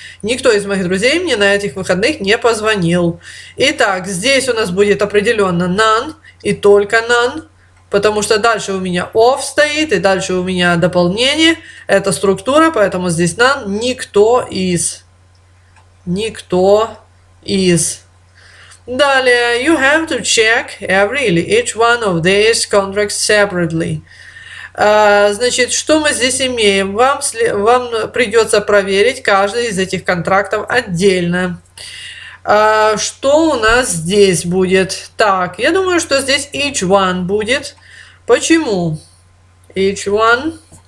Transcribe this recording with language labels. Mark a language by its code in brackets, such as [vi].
[ru] Никто из моих друзей мне на этих выходных не позвонил. Итак, здесь у нас будет определенно none и только none. Потому что дальше у меня of стоит и дальше у меня дополнение. Это структура, поэтому здесь none. Никто из. Никто is. Далее, [en] you have to check every [ru] или [en] each one of these contracts separately. [ru] Значит, что мы здесь имеем? Вам придется проверить каждый из этих контрактов отдельно. Что у нас здесь будет? Так, я думаю, что здесь each one будет. Почему? Each one.